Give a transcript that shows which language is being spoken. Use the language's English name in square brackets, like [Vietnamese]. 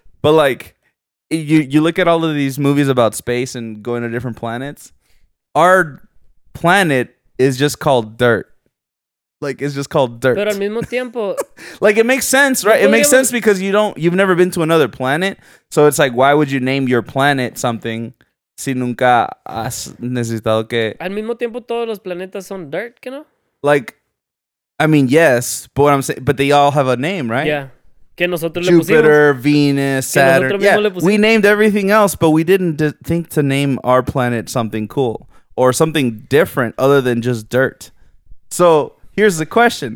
[English] But like, you look at all of these movies about space and going to different planets, our planet is just called dirt. Like, it's just called dirt. [Spanish] Pero al mismo tiempo, [English] like, it makes sense, right? It makes sense because you've never been to another planet. So it's like, why would you name your planet something [Spanish] si nunca has necesitado que... Al mismo tiempo, todos los planetas son dirt, ¿qué no? [English] Like, I mean, yes, but what I'm saying, but they all have a name, right? Yeah. [Spanish] Que nosotros [English] Jupiter, [Spanish] le pusimos. [English] Jupiter, Venus, Saturn. Yeah, we named everything else, but we didn't think to name our planet something cool. Or something different other than just dirt. So here's the question.